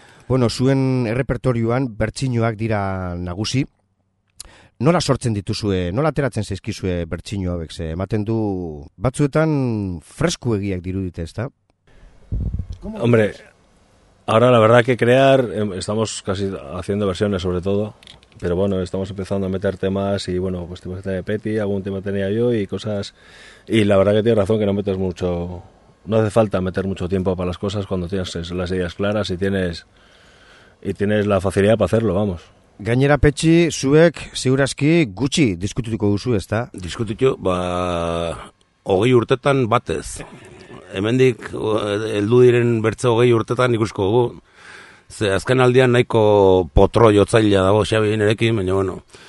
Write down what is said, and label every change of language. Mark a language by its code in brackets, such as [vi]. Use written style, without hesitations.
[eu] Bueno, zuen errepertorioan bertsinoak dira nagusi. Nola sortzen dituzue, nola ateratzen zaizkizue bertsinu hauek, ze, ematen du, batzuetan fresku egiak dirudite, ezta? [es] Hombre, ahora la verdad que crear, estamos casi haciendo versiones sobre todo, pero bueno, estamos empezando a meter temas y bueno, pues temas de Peti, algún tema tenía yo y cosas, y la verdad que tienes razón que no metes mucho, no hace falta meter mucho tiempo para las cosas cuando tienes las ideas claras y tienes la facilidad para hacerlo, vamos. [eu] Gainera Petxi, zuek ziurazki gutxi diskutituko duzu, ezta? Diskutitu, ba, 20 urtetan batez. Hemendik heldu diren bertze 20 urtetan ikusko dugu. Ze azken aldian nahiko potro jotzailea dago Xabi nerekin, baina bueno.